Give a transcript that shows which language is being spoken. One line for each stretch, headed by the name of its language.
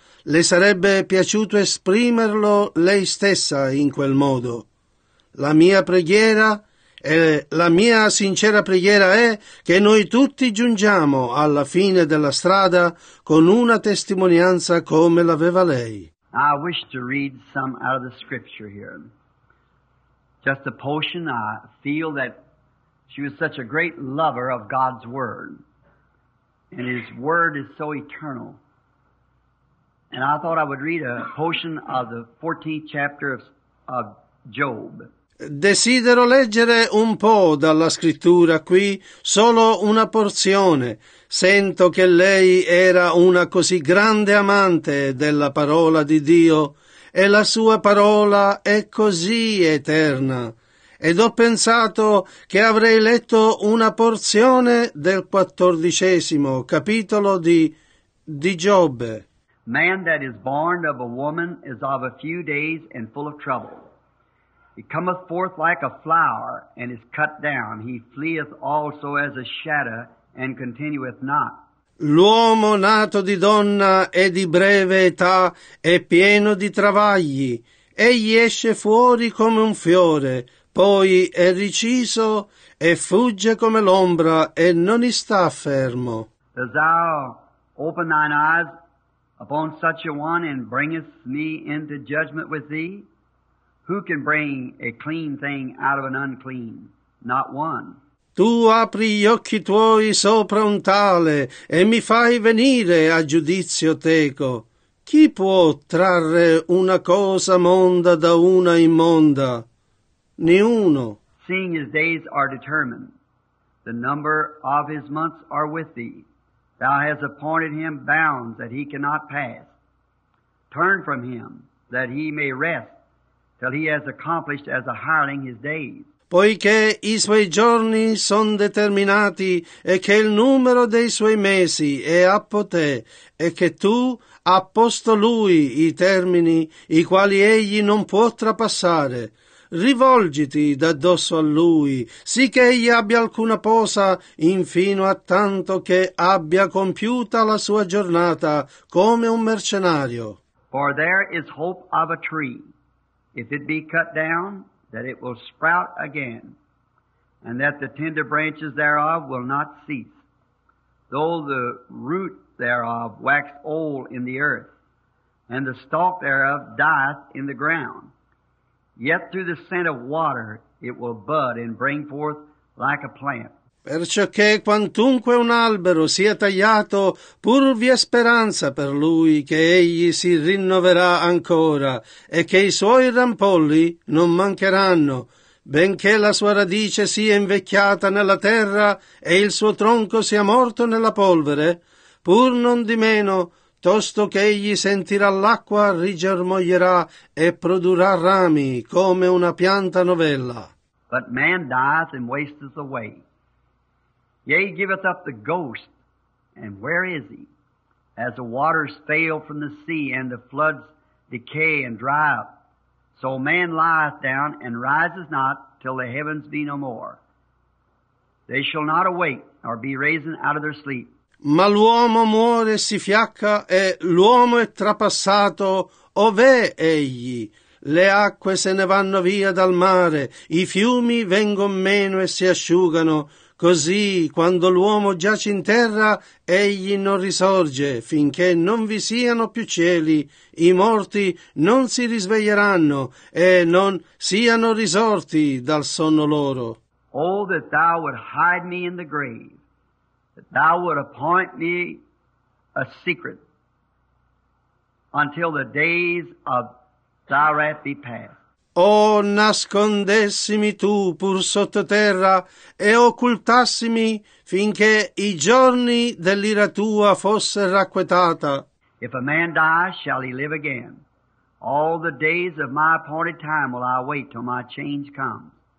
Italian: Le sarebbe piaciuto esprimerlo lei stessa in quel modo. La mia preghiera e la mia sincera preghiera è che noi tutti giungiamo alla fine della strada con una testimonianza come l'aveva lei.
English: I wish to read some out of the scripture here. Just a portion. I feel that she was such a great lover of God's word, and his word is so eternal. And I thought I would read a portion of the 14th chapter of Job.
Italian: Desidero leggere un po' dalla scrittura qui, solo una porzione. Sento che lei era una così grande amante della parola di Dio e la sua parola è così eterna. Ed ho pensato che avrei letto una porzione del 14° capitolo di Giobbe.
English: Man that is born of a woman is of a few days and full of trouble. He cometh forth like a flower and is cut down. He fleeth also as a shadow and continueth not.
Italian: L'uomo nato di donna è di breve età, è pieno di travagli. Egli esce fuori come un fiore, poi è riciso e fugge come l'ombra e non sta fermo.
English: Dost thou open thine eyes upon such a one and bringest me into judgment with thee? Who can bring a clean thing out of an unclean? Not one.
Italian: Tu apri gli occhi tuoi sopra un tale e mi fai venire a giudizio teco. Chi può trarre una cosa monda da una immonda? Niuno.
English: Seeing his days are determined, the number of his months are with thee. Thou hast appointed him bounds that he cannot pass. Turn from him, that he may rest, till he has accomplished as a hireling his days.
Italian: Poiché i suoi giorni son determinati, e che il numero dei suoi mesi è a poté, e che tu ha posto lui i termini, i quali egli non può trapassare. Rivolgiti d'addosso a lui, sì che egli abbia alcuna posa, infino a tanto che abbia compiuta la sua giornata come un mercenario.
English: For there is hope of a tree, if it be cut down, that it will sprout again, and that the tender branches thereof will not cease. Though the root thereof wax old in the earth, and the stalk thereof dieth in the ground, yet through the scent of water it will bud and bring forth like a plant.
Italian: Perciò che quantunque un albero sia tagliato, pur vi è speranza per lui che egli si rinnoverà ancora e che i suoi rampolli non mancheranno, benché la sua radice sia invecchiata nella terra e il suo tronco sia morto nella polvere, pur non di meno, tosto che egli sentirà l'acqua, rigermoglierà e produrrà rami come una pianta novella.
English: But man dies and wastes away. Yea, he giveth up the ghost, and where is he? As the waters fail from the sea, and the floods decay and dry up, so man lieth down and rises not till the heavens be no more. They shall not awake, nor be raised out of their sleep.
Italian: Ma l'uomo muore, si fiacca, e l'uomo è trapassato, ov'è egli? Le acque se ne vanno via dal mare, i fiumi vengono meno e si asciugano, così, quando l'uomo giace in terra, egli non risorge, finché non vi siano più cieli, i morti non si risveglieranno, e non siano risorti dal sonno loro.
English: Oh, that thou would hide me in the grave, that thou would appoint me a secret until the days of thy wrath be past.
Italian: Oh, nascondessimi tu pur sottoterra e occultassimi finché i giorni dell'ira tua fosse racquetata.
English: If a man die, shall he live again? All the days of my appointed time will I wait till my change comes.